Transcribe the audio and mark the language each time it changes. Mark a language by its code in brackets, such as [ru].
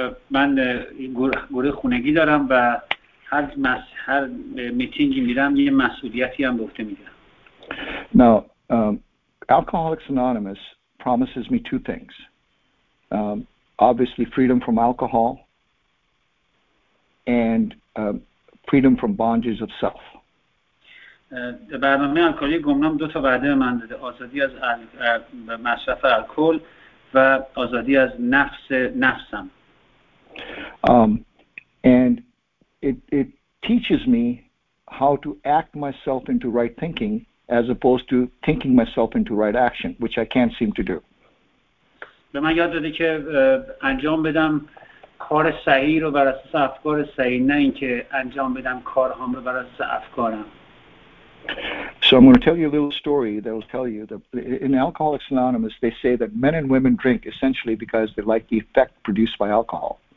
[fa] من گروه خونگی دارم و هر میتینگی میرم یه مسئولیتی هم بفته میگرم. [en] Now, Alcoholics Anonymous promises me two things. Obviously, freedom from alcohol and freedom from bondages of self. [fa] برنامه الکلی گمنام دو تا وعده من داده. آزادی از مصرف الکل و آزادی از نفسم. [en] And it teaches me how to act myself into right thinking as opposed to thinking myself into right action, which I can't seem to do. [fa] به من یاد داده که انجام بدم کار صحیح رو بر اساس افکار صحیح، نه اینکه انجام بدم کارهام رو بر اساس افکارم. [en] So I'm going to tell you a little story that will tell you that in Alcoholics Anonymous, they say that men and women drink essentially because they like the effect produced by alcohol.